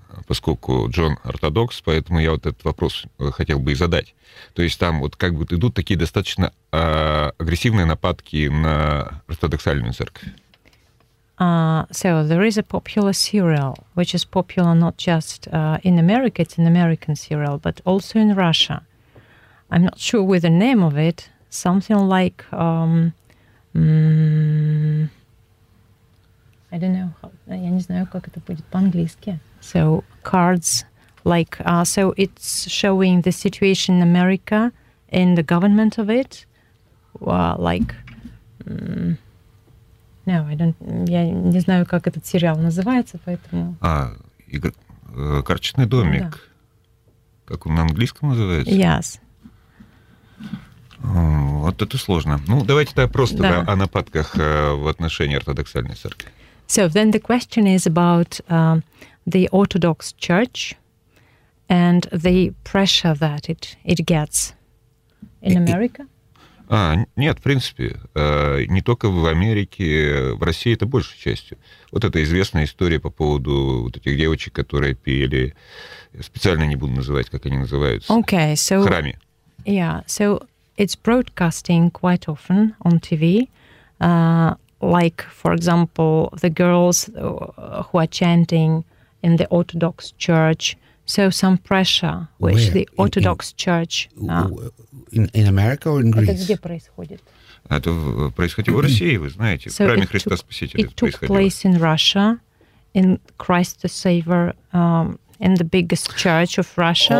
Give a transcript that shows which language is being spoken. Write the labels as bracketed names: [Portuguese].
[Russian] Поскольку Джон ортодокс, поэтому я вот этот вопрос хотел бы и задать. То есть там вот как бы идут такие достаточно агрессивные нападки на ортодоксальную церковь. [English] So there is a popular serial, which is popular not just in America, it's an American serial, but also in Russia. I'm not sure with the name of it, something like, I don't know, [Russian] я не знаю, как это будет по-английски. [English] So cards, like, so it's showing the situation in America and the government of it, like, no, I don't, [Russian] я не знаю, как этот сериал называется, поэтому... А, карточный домик, да. Как он на английском называется? [English] Yes. [Russian] Вот это сложно. Ну, давайте тогда просто да. О нападках в отношении ортодоксальной церкви. [English] So then the question is about the Orthodox Church and the pressure that it gets in America? [Russian] Нет, в принципе, не только в Америке, в России это большей частью. Вот эта известная история по поводу вот этих девочек, которые пели, специально не буду называть, как они называются, [English] okay, so, [Russian] в храме. [English] Yeah, so it's broadcasting quite often on TV, like, for example, the girls who are chanting in the Orthodox Church. So some pressure which Where? The Orthodox Church... In America or in Greece? [Russian] Это где происходит? Это происходило в России, вы знаете, в храме Христа Спасителя. [English] It took place in Russia, in Christ the Savior, in the biggest church of Russia.